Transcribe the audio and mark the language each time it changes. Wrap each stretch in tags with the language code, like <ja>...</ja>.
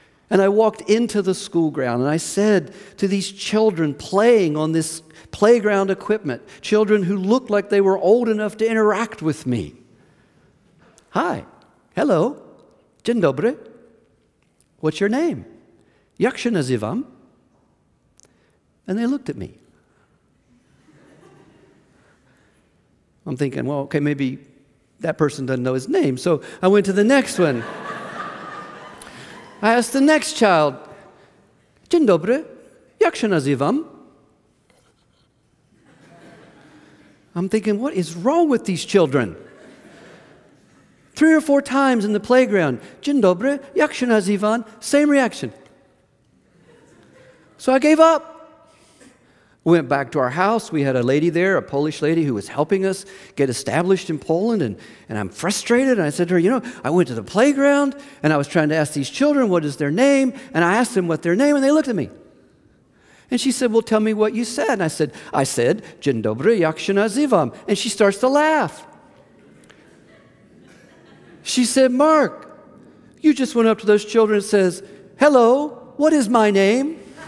<en>And I walked into the school ground, and I said to these children playing on this playground equipment, children who looked like they were old enough to interact with me, hi, hello,</en> <pl>dzień dobry,</pl> <en>What's your name? Yakshana Zivam. And they looked at me. I'm thinking, well, okay, maybe that person doesn't know his name. So I went to the next one. I asked the next child,</en> <pl>Dzień dobry, jak się nazywam?</pl> <en>I'm thinking, what is wrong with these children? Three or four times in the playground,</en> <pl>Dzień dobry, jak się nazywam?</pl> <en>Same reaction. So I gave up. Went back to our house. We had a lady there, a Polish lady, who was helping us get established in Poland, and I'm frustrated, and I said to her, you know, I went to the playground, and I was trying to ask these children what is their name, and I asked them what their name, and they looked at me. And she said, well, tell me what you said. And I said,</en> <pl>Dzień dobry, jak się nazywam?</pl> <en>And she starts to laugh. She said, Mark, you just went up to those children and says, hello, what is my name?</en>